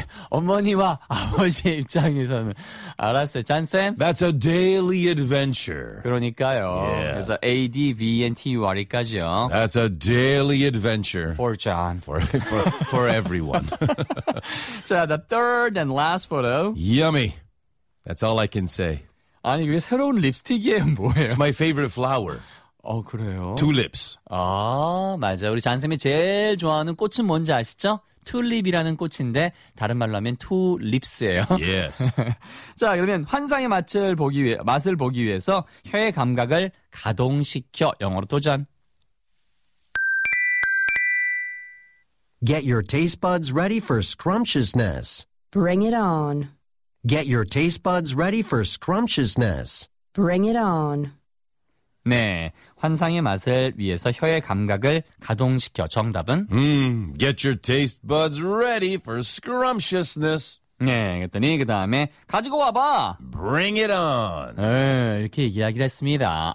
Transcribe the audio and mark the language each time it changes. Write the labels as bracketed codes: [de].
[ko] 어머니와 아버지 입장에서는 알았어요. 잔쌤. [en] That's a daily adventure. [ko] 그러니까요. [en] Yeah. [ko] 그래서 ADVENTURE까지요. [en] That's a daily adventure. For John. For everyone. So the third and last photo. Yummy. That's all I can say. [ko] 아니 이게 새로운 립스틱이에요 뭐예요? [en] It's my favorite flower. [ko] 그래요? [en] Tulips. [ko] 아, 맞아. 우리 잔쌤이 제일 좋아하는 꽃은 뭔지 아시죠? 튤립이라는 꽃인데 다른 말로 하면 투립스예요. [en] Yes. [ko] 자, 그러면 환상의 맛을 보기 위해서 혀의 감각을 가동시켜 영어로 도전. [en] Get your taste buds ready for scrumptiousness. Bring it on. Get your taste buds ready for scrumptiousness. Bring it on. [ko] 네, 환상의 맛을 위해서 혀의 감각을 가동시켜 정답은 [en] Get your taste buds ready for scrumptiousness. [ko] 네, 그랬더니 그 다음에 가지고 와봐. [en] Bring it on. [ko] 이렇게 이야기를 했습니다.